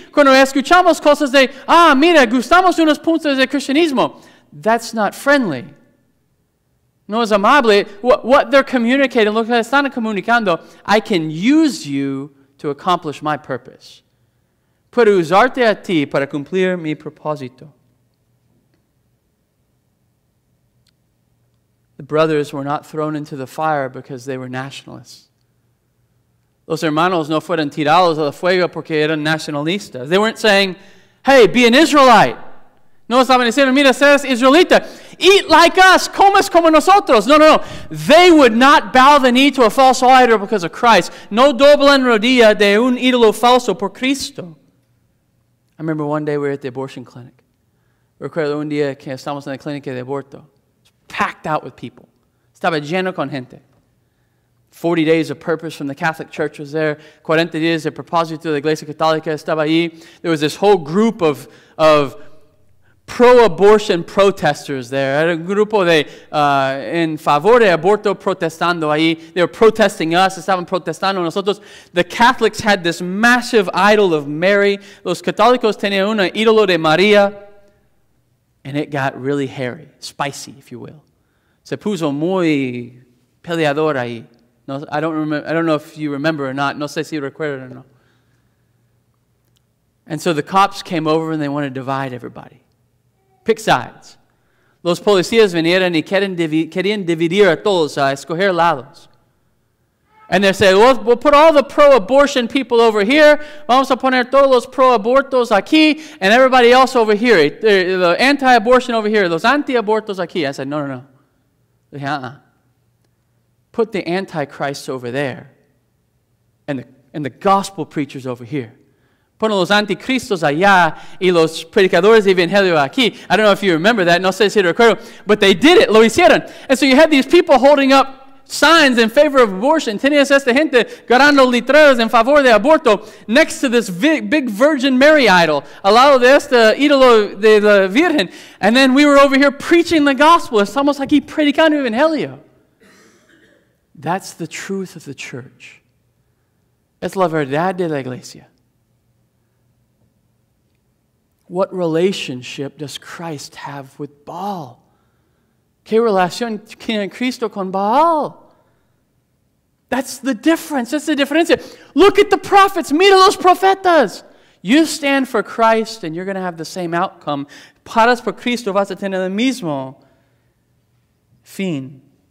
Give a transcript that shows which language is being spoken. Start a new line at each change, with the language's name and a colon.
Spanish: Cuando escuchamos cosas de, ah, mira, gustamos unos puntos de cristianismo.
English: That's not friendly.
Spanish: No es amable.
English: What they're communicating,
Spanish: lo que están comunicando,
English: I can use you to accomplish my purpose.
Spanish: Puedo usarte a ti para cumplir mi propósito.
English: The brothers were not thrown into the fire because they were nationalists.
Spanish: Los hermanos no fueron tirados al fuego porque eran nacionalistas.
English: They weren't saying, hey, be an Israelite.
Spanish: No estaban diciendo, mira, seas israelita.
English: Eat like us.
Spanish: Comas como nosotros. No, no, no.
English: They would not bow the knee to a false idol because of Christ.
Spanish: No doblan rodilla de un ídolo falso por Cristo.
English: I remember one day we were at the abortion clinic.
Spanish: Recuerdo un día que estamos en la clínica de aborto.
English: Packed out with people.
Spanish: Estaba lleno con gente.
English: 40 days of purpose from the Catholic Church was there.
Spanish: 40 días de propósito de la Iglesia Católica estaba ahí.
English: There was this whole group of pro-abortion protesters there.
Spanish: Era un grupo de en favor de aborto protestando ahí.
English: They were protesting us. Estaban protestando nosotros. The Catholics had this massive idol of Mary.
Spanish: Los católicos tenían un ídolo de María.
English: And it got really hairy, spicy, if you will.
Spanish: Se puso muy peleador ahí.
English: No, I don't remember. I don't know if you remember or not.
Spanish: No sé si recuerdas
English: or no. And so the cops came over and they wanted to divide everybody. Pick sides.
Spanish: Los policías vinieron y querían dividir a todos, a escoger lados.
English: And they said, we'll put all the pro-abortion people over here.
Spanish: Vamos a poner todos los pro-abortos aquí
English: and everybody else over here. The anti-abortion over here.
Spanish: Los anti-abortos aquí.
English: I said, no, no, no. Uh-uh. Put the antichrist over there and the gospel preachers over here.
Spanish: Pon los anticristos allá y los predicadores de evangelio aquí.
English: I don't know if you remember that.
Spanish: No sé si recuerdo.
English: But they did it.
Spanish: Lo hicieron.
English: And so you had these people holding up signs in favor of abortion.
Spanish: Tenías esta gente grabando letreros en favor de aborto
English: next to this big Virgin Mary idol.
Spanish: Al lado de este ídolo de la Virgen.
English: And then we were over here preaching the gospel.
Spanish: Estamos aquí predicando evangelio.
English: That's the truth of the church.
Spanish: Es la verdad de la iglesia.
English: What relationship does Christ have with Baal?
Spanish: ¿Qué relación tiene Cristo con Baal?
English: That's the difference. That's the difference. Look at the prophets.
Spanish: Mira los profetas.
English: You stand for Christ and you're going to have the same outcome.
Spanish: Paras por Cristo vas a tener el mismo fin.